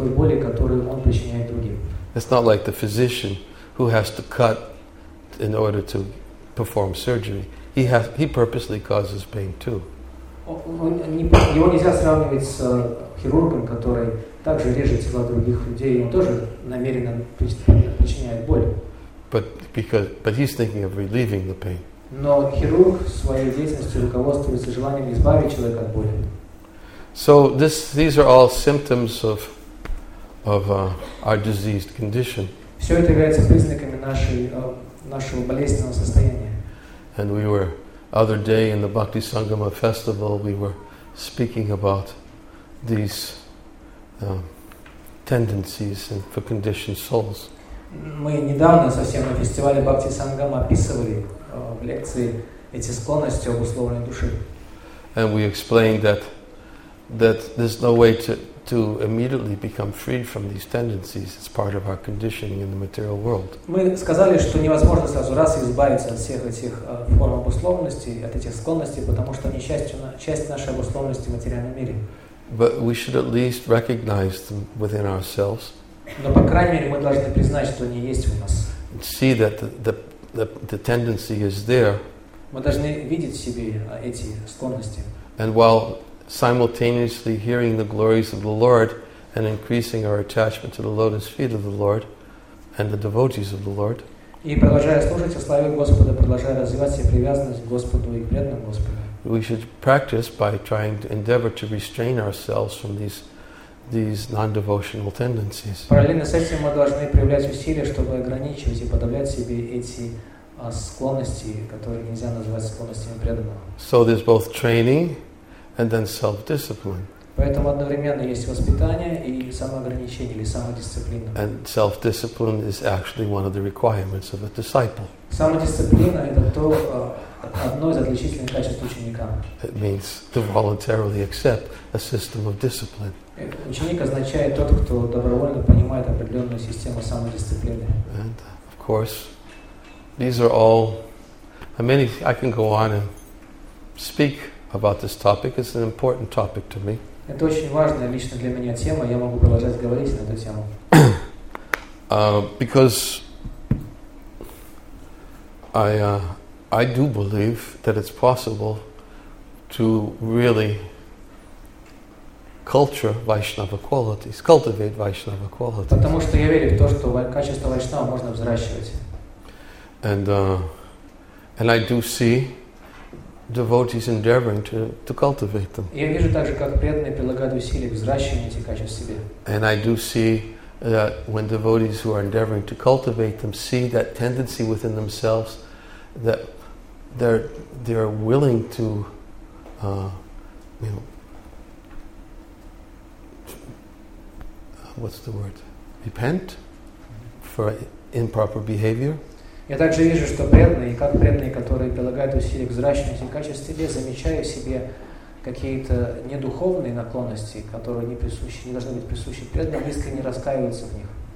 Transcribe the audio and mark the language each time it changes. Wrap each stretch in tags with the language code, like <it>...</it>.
<en>It's not like the physician who has to cut in order to perform surgery. He purposely causes pain too.</en> <ru>Его нельзя сравнивать с хирургом, который также режет тела других людей, и он тоже намеренно причиняет боль.</ru> <en>But he's thinking of relieving the pain.</en> <ru>Но хирург своей деятельностью руководствуется желанием избавить человека от боли.</ru> <en>So these are all symptoms of our diseased condition.</en> <ru>Все это является признаками нашего болезненного состояния.</ru> <en>And we were other day in the Bhakti Sangama festival, we were speaking about these tendencies and for conditioned souls.</en> <ru>Мы недавно совсем на фестивале Бхакти Сангама описывали в лекции эти склонности обусловленной души.</ru> <en>And we explained that there's no way to immediately become free from these tendencies. It's part of our conditioning in the material world.</en> <ru>Мы сказали, что невозможно сразу раз избавиться от всех этих форм обусловленности, от этих склонностей, потому что они часть нашей обусловленности в материальном мире.</ru> <en>But we should at least recognize them within ourselves.</en> <ru>Но по крайней мере мы должны признать, что они есть у нас.</ru> <en>See that the tendency is there.</en> <ru>Мы должны видеть в себе эти склонности.</ru> <en>And while simultaneously hearing the glories of the Lord and increasing our attachment to the lotus feet of the Lord and the devotees of the Lord.</en> <ru>И продолжая служить и славить Господа, продолжая развивать себе привязанность к Господу и преданность Господу.</ru> <en>We should practice by trying to endeavor to restrain ourselves from these non-devotional tendencies.</en> <ru>Параллельно с этим мы должны проявлять усилия, чтобы ограничивать и подавлять себе эти склонности, которые нельзя называть склонностями преданного.</ru> <en>So there's both training and then self-discipline.</en> <ru>Поэтому одновременно есть воспитание и самоограничение или самодисциплина.</ru> <en>And self-discipline is actually one of the requirements of a disciple.</en> <ru>Самодисциплина это то одно из отличительных качеств ученика.</ru> <en>It means to voluntarily accept a system of discipline.</en> <ru>Ученик означает тот, кто добровольно понимает определенную систему самодисциплины.</ru> <en>And of course, these are all. I can go on and speak about this topic. It's an important topic to me.</en> <ru>Это очень важная лично для меня тема. Я могу продолжать говорить на эту тему.</ru> <en>Because I do believe that it's possible to really culture Vaishnava qualities, cultivate Vaishnava qualities.</en> <ru>Потому что я верю в то, что качество Вайшнава можно взращивать.</ru> <en>And I do see devotees endeavoring to cultivate them.</en> <ru>Я вижу также, как преданные прилагают усилия к взращиванию этих качеств в себе.</ru> <en>And I do see that when devotees who are endeavoring to cultivate them see that tendency within themselves, that they're willing to, you know, what's the word? Repent for improper behavior.</en> <ru>Я также вижу, что преданные, как преданные, которые прилагают усилия к взращиванию этих качеств в себе, замечая в себе какие-то недуховные наклонности, которые не присущи, не должны быть присущи преданным, искренне раскаиваются в них.</ru>